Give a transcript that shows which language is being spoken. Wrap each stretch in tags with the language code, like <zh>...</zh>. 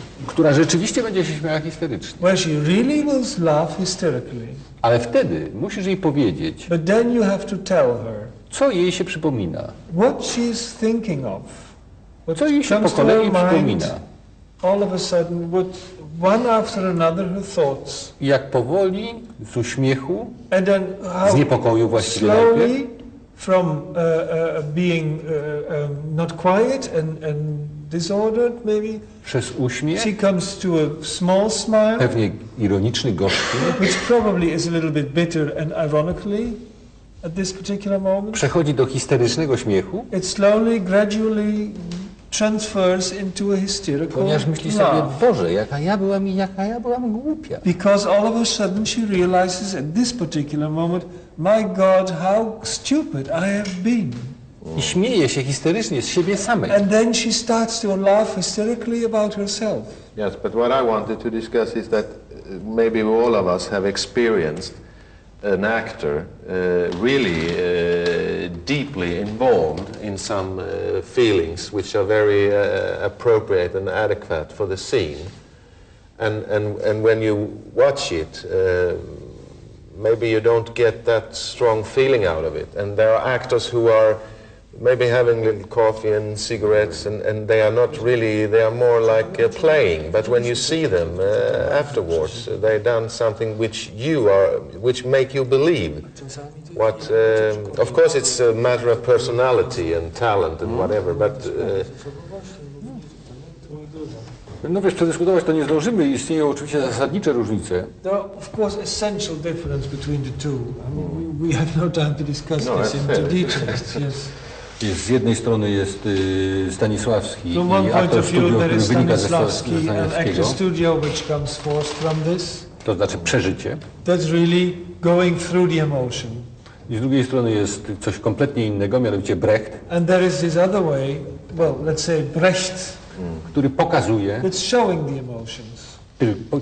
<pl>która rzeczywiście będzie się śmiała hysterycznie.</pl> <en>Where she really will laugh hysterically.</en> <pl>Ale wtedy musisz jej powiedzieć,</pl> <en>but then you have to tell her,</en> <pl>co jej się przypomina.</pl> <en>What she is thinking of.</en> <pl>What co jej się po kolei przypomina.</pl> <en>All of a sudden, what one after another her thoughts.</en> <pl>Jak powoli, z uśmiechu,</pl> <en>and then</en> <pl>z niepokoju właściwie</pl> <en>slowly</en> <pl>najpierw,</pl> <en>from being not quiet and disordered maybe.</en> <pl>Przez uśmiech.</pl> <en>She comes to a small smile.</en> <pl>Pewnie ironiczny, gorzki.</pl> <en>Which probably is a little bit bitter and ironically at this particular moment.</en> <pl>Przechodzi do histerycznego śmiechu.</pl> <en>It slowly, gradually transfers into a hysterical laugh.</en> <pl>Ponieważ myśli sobie, Boże, jaka ja byłam głupia.</pl> <en>Because all of a sudden she realizes at this particular moment, my God, how stupid I have been.</en> <pl>I śmieje się histerycznie z siebie samej.</pl> <en>And then she starts to laugh hysterically about herself. Yes, but what I wanted to discuss is that maybe all of us have experienced an actor really deeply involved in some feelings which are very appropriate and adequate for the scene, and when you watch it maybe you don't get that strong feeling out of it, and there are actors who are maybe having a little coffee and cigarettes and they are not really, they are more like playing, but when you see them afterwards they've done something which make you believe what of course it's a matter of personality and talent and whatever, but</en> <pl>no wiesz, przedyskutować to nie zdążymy. Istnieją oczywiście zasadnicze różnice.</pl> <en>There are of course essential difference between the two. We have no time to discuss this in details. Yes.</en> <pl>Jest, z jednej strony jest Stanisławski</pl> <en>from</en> <pl>i aktor studio, który wynika ze Stanisławskiego.</pl> <en>Which comes forth from this.</en> <pl>To znaczy przeżycie.</pl> <en>That's really going through the emotion.</en> <pl>I z drugiej strony jest coś kompletnie innego, mianowicie Brecht.</pl> <en>And there is this other way, well, let's say Brecht,</en> <pl>który pokazuje,</pl> <en>that's showing the emotions.</en>